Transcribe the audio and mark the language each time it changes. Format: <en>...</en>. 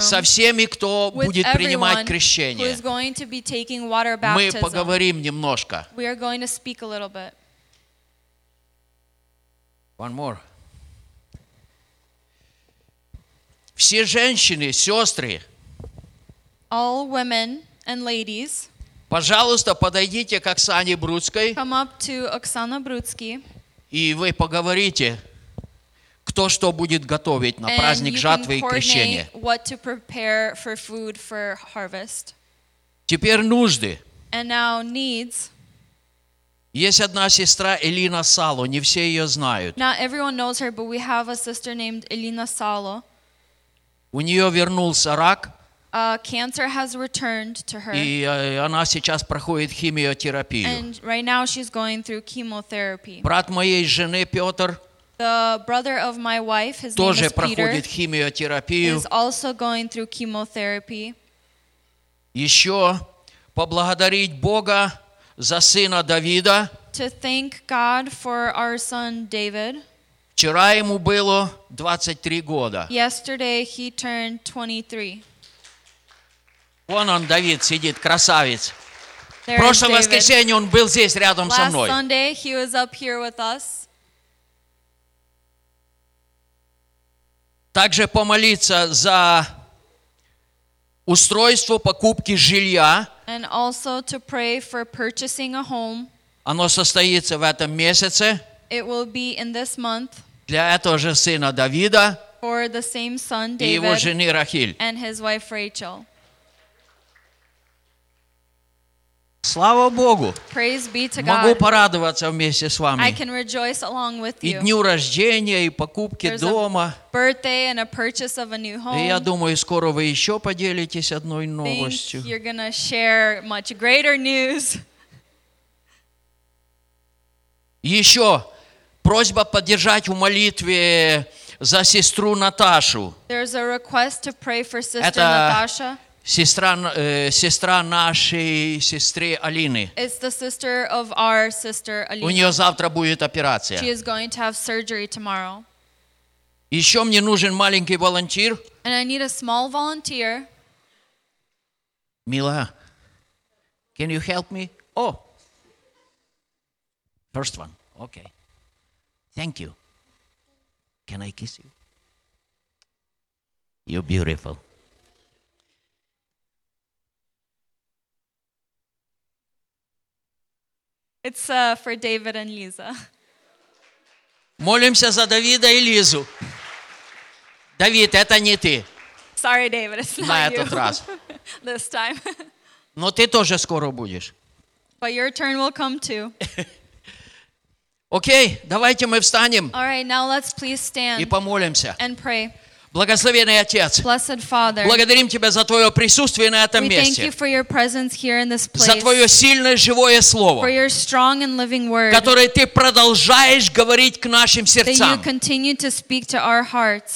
<ru>Со всеми, кто будет принимать крещение.</ru> <en>Who is going to be taking water baptism.</en> <ru>Мы поговорим немножко.</ru> <en>We are going to speak a little bit. One more.</en> <ru>Все женщины, сестры.</ru> <en>All women and ladies.</en> <ru>Пожалуйста, подойдите к Оксане Бруцкой.</ru> <en>Come up to Оксана Бруцки.</en> <ru>И вы поговорите, кто что будет готовить на праздник жатвы и крещения.</ru> <en>And you can coordinate what to prepare for food for harvest.</en> <ru>Теперь нужды.</ru> <en>And now needs.</en> <ru>Есть одна сестра Элина Сало, не все ее знают.</ru> <en>Not everyone knows her, but we have a sister named Elina Salo.</en> <ru>У нее вернулся рак.</ru> <en>Cancer has returned to her.</en> <ru>И она сейчас проходит химиотерапию.</ru> <en>And right now she's going through chemotherapy.</en> <ru>Брат моей жены Петр.</ru> <en>The brother of my wife, his name is Peter.</en> <ru>Тоже проходит химиотерапию.</ru> <en>Is also going through chemotherapy.</en> <ru>Еще поблагодарить Бога за сына Давида.</ru> <en>To thank God for our son David.</en> <ru>Вчера ему было 23 года.</ru> <en>Yesterday he turned 23.</en> <ru>Вон он, Давид, сидит, красавец. Прошлое воскресенье он был здесь, рядом со мной.</ru> <en>Last Sunday he was up here with us.</en> <ru>Также помолиться за устройство покупки жилья.</ru> <en>And also to pray for purchasing a home.</en> <ru>Оно состоится в этом месяце.</ru> <en>It will be in this month.</en> <ru>Для этого же сына Давида.</ru> <en>For the same son, David.</en> <ru>И его жены Рахиль.</ru> <en>And his wife, Rachel.</en> <ru>Слава Богу!</ru> <en>Praise be to God.</en> <ru>Могу порадоваться вместе с вами.</ru> <en>I can rejoice along with you.</en> <ru>И дню рождения, и покупки дома.</ru> <en>There's a birthday and a purchase of a new home.</en> <ru>И я думаю, скоро вы еще поделитесь одной новостью.</ru> <en>Think you're gonna share much greater news.</en> <ru>Еще просьба поддержать в молитве за сестру Наташу.</ru> <en>There's a request to pray for sister</en> <ru>Это</ru> <en>Natasha.</en> <ru>Сестра нашей сестры Алины.</ru> <en>It's the sister of our sister Alina.</en> <ru>У нее завтра будет операция.</ru> <en>She is going to have surgery tomorrow.</en> <ru>Еще мне нужен маленький волонтер.</ru> <en>And I need a small volunteer. Мила, can you help me? Oh, first one. Okay. Thank you. Can I kiss you? You're beautiful. It's for David and Lisa.</en> <ru>Молимся за Давида и Лизу. Давид, это не ты.</ru> <en>Sorry, David, it's not you.</en> <ru>На этот раз.</ru> <en>This time.</en> <ru>Но ты тоже скоро будешь.</ru> <en>But your turn will come too.</en> <ru>Окей, давайте мы встанем.</ru> <en>All right, now let's please stand.</en> <ru>И помолимся.</ru> <en>And pray.</en> <ru>Благословенный Отец,</ru> <en>Blessed Father,</en> <ru>благодарим Тебя за Твое присутствие на этом</ru> <en>we</en> <ru>месте,</ru> <en>thank you for your presence here in this place,</en> <ru>за Твое сильное живое Слово,</ru> <en>for your strong and living word,</en> <ru>которое Ты продолжаешь говорить к нашим сердцам.</ru> <en>That you continue to speak to our hearts.</en>